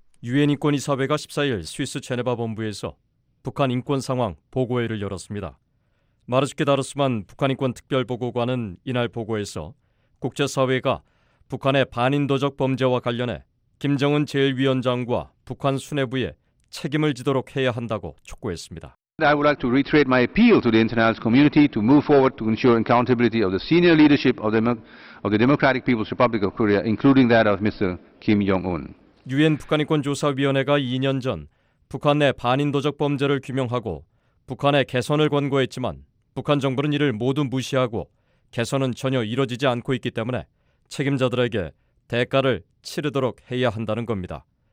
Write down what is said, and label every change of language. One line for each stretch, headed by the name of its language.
Korean: 유엔인권위사회가 14일 스위스 제네바 본부에서 북한인권상황 보고회를 열었습니다. 마르주키 다르스만 북한인권특별보고관은 이날 보고에서 국제사회가 북한의 반인도적 범죄와 관련해 김정은 제1위원장과 북한 수뇌부에 책임을 지도록 해야 한다고 촉구했습니다.
English: I would like to reiterate my appeal to the international community to move forward to ensure accountability of the senior leadership of the Democratic People's Republic of Korea, including that of Mr. Kim Jong-un.
Korean: 유엔 북한인권조사위원회가 2년 전 북한 내 반인도적 범죄를 규명하고 북한의 개선을 권고했지만 북한 정부는 이를 모두 무시하고 개선은 전혀 이루어지지 않고 있기 때문에 책임자들에게 대가를 치르도록 해야 한다는 겁니다.